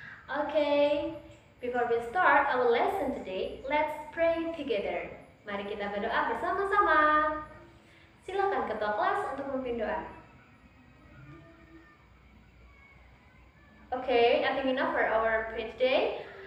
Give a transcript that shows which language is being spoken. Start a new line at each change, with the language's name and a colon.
English: Okay, before we start our lesson today, let's pray together.
Indonesian: Mari kita berdoa bersama-sama. Silakan ketua kelas untuk memimpin doa.
English: Okay, I think enough for our prayer today.